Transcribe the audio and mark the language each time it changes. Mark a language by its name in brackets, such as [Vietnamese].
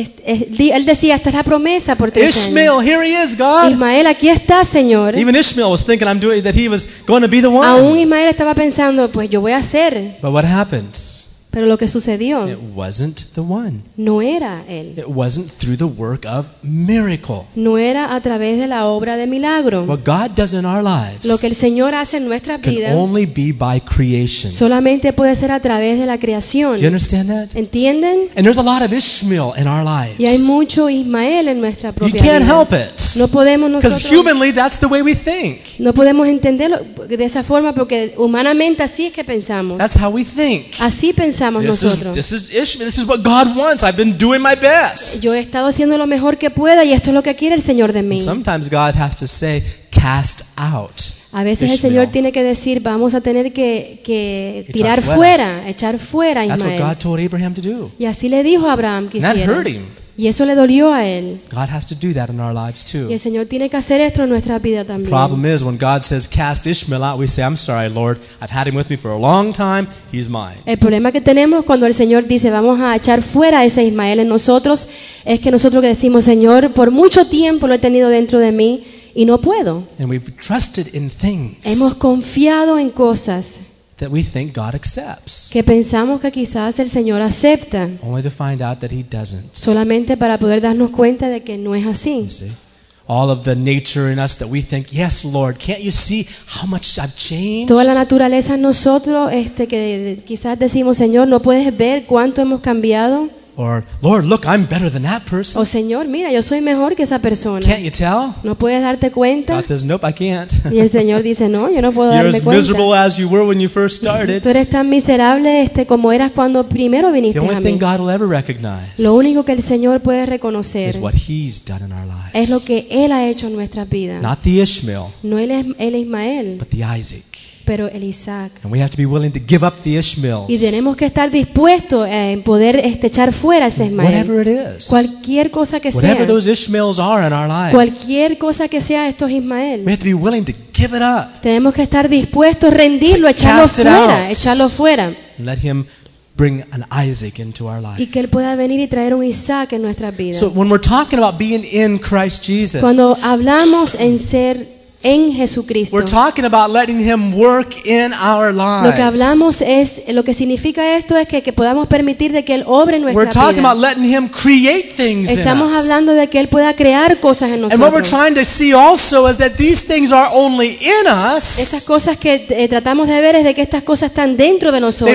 [Spanish] Él decía, esta es la promesa por 13 años. [English] Ishmael, here he is, God. [Spanish] Ismael, aquí está, Señor. [English] Even Ishmael was thinking I'm doing that he was going to be the one. [Spanish] Aún Ismael estaba pensando, pues yo voy a ser. [English] But what happened? [Spanish] Pero lo que sucedió. [English] It wasn't the one. [Spanish] No era él. [English] It wasn't through the work of miracle. [Spanish] No era a través de la obra de milagro. [English] What God does in our lives. [Spanish] Lo que el Señor hace en nuestras vidas. [English] Can only be by creation. [Spanish] Solamente puede ser a través de la creación. [English] Do you understand that? [Spanish] ¿Entienden? [English] And there's a lot of Ishmael in our lives. [Spanish] Y hay mucho Ismael en nuestra propia vida. [English] You can't [Spanish] vida. [English] Help it. [Spanish] No podemos nosotros. [English] Because humanly that's the way we think. [Spanish] No podemos entenderlo de esa forma porque humanamente así es que pensamos. [English] That's how we think. [Spanish] Así pensamos. [English] This is what God wants. I've been doing my best. [Spanish] Yo he estado haciendo lo mejor que pueda y esto es lo que quiere el Señor de mí. [English] Sometimes God has to say, cast out. [Spanish] A veces [English] Ishmael. [Spanish] El Señor tiene que decir, vamos a tener que tirar fuera, echar fuera a Ismael. [English] That's what God told Abraham to do. [Spanish] Y así le dijo a Abraham que hiciera. [English] That hurt him. [Spanish] Y eso le dolió a él. [English] God has to do that in our lives too. [Spanish] Y el Señor tiene que hacer esto en nuestra vida también. [English] Problem is, when God says cast Ishmael out, we say, I'm sorry, Lord, I've had him with me for a long time, he's mine. [Spanish] El problema que tenemos cuando el Señor dice, vamos a echar fuera ese Ismael en nosotros, es que nosotros que decimos, Señor, por mucho tiempo lo he tenido dentro de mí y no puedo. [English] And we've trusted in things. [Spanish] Hemos confiado en cosas. [English] That we think God accepts. [Spanish] Que pensamos que quizás el Señor acepta. [English] Only to find out that he doesn't. [Spanish] Solamente para poder darnos cuenta de que no es así. [English] You see? All of the nature in us that we think, yes, Lord, can't you see how much I've changed? [Spanish] Toda la naturaleza en nosotros, que quizás decimos, Señor, ¿no puedes ver cuánto hemos cambiado? [English] Or, Lord, look, I'm better than that person. [Spanish] Oh, Señor, mira, yo soy mejor que esa persona. [English] Can't you tell? [Spanish] ¿No puedes darte cuenta? [English] God says, nope, I can't. [Spanish] Y el Señor dice, no, yo no puedo darme cuenta. [English] You're as miserable as you were when you first started. [Spanish] Tú eres tan miserable como eras cuando primero viniste a mí. [English] The only thing God will ever recognize. [Spanish] Lo único que el Señor puede reconocer [English] is what he's done in our lives. [Spanish] Es lo que él ha hecho en nuestras vidas. [English] Not the Ishmael. [Spanish] No el Ismael. [English] But the Isaac. [Spanish] Pero el Isaac. [English] And we have to be willing to give up the Ishmaels. [Spanish] Y tenemos que estar dispuestos en poder echar fuera ese Ismael. [English] Whatever it is. [Spanish] Cualquier cosa que [English] whatever Whatever those Ishmaels are in our lives. [Spanish] Cualquier cosa que sea estos Ismael. [English] We have to be willing to give it up. [Spanish] Tenemos que estar dispuestos a rendirlo, echarlo fuera, echarlo fuera. [English] And let him bring an Isaac into our lives. [Spanish] Y que él pueda venir y traer un Isaac en nuestras vidas. [English] So when we're talking about being in Christ Jesus. [Spanish] Cuando hablamos en ser en Jesucristo. [English] We're talking about letting him work in our lives. [Spanish] Lo que hablamos es lo que significa esto es que podamos permitir de que él obre en nuestra vida. [English] We're talking about letting him create things in us. [Spanish] Estamos hablando de que él pueda crear cosas en nosotros. [English] And what we're trying to see also is that these things are only in us. [Spanish] Estas cosas que tratamos de ver es de que estas cosas están dentro de nosotros.